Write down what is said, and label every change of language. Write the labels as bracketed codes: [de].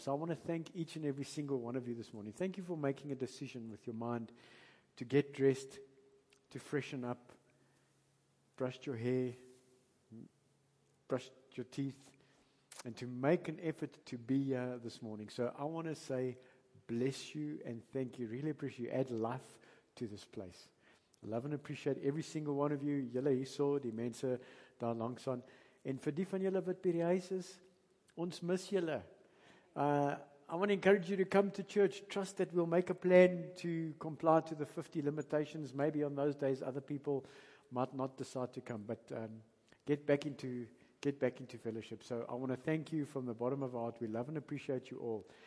[en] So I want to thank each and every single one of you this morning. Thank you for making a decision with your mind to get dressed, to freshen up, brushed your hair, brushed your teeth, and to make an effort to be here this morning. So I want to say bless you and thank you. Really appreciate you. Add life to this place. Love and appreciate every single one of you. [af] Julle hierso, die mense daar langs aan. En vir die van julle wat by die huis is, ons mis julle. [en] I want to encourage you to come to church. Trust that we'll make a plan to comply to the 50 limitations. Maybe on those days other people might not decide to come. But get back into fellowship. So I want to thank you from the bottom of our heart. We love and appreciate you all.